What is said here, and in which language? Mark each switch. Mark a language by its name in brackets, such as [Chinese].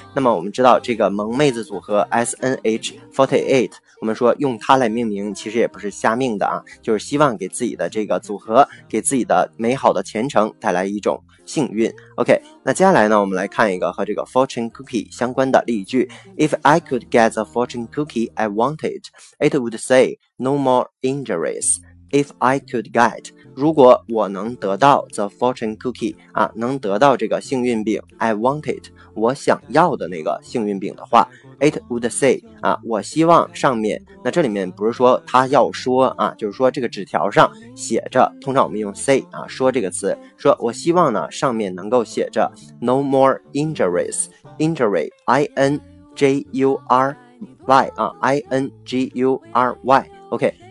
[Chinese] 那么我们知道这个萌妹子组合 SNH48，我们说用它来命名其实也不是瞎命的啊，就是希望给自己的这个组合，给自己的美好的前程带来一种幸运。 OK， 那接下来呢我们来看一个和这个 fortune cookie 相关的例句。 [English] If I could get the fortune cookie I wanted, it would say no more injuries. If I could get, [Chinese] 如果我能得到 [English] the fortune cookie [Chinese] 啊，能得到这个幸运饼 [English] I wanted, [Chinese] 我想要的那个幸运饼的话， [English] It would say [Chinese] 啊，我希望上面，那这里面不是说他要说啊，就是说这个纸条上写着，通常我们用 say 啊，说这个词，说我希望呢上面能够写着 [English] no more injuries， [Chinese] injury， I N J U R Y 啊， I N G U R Y， OK。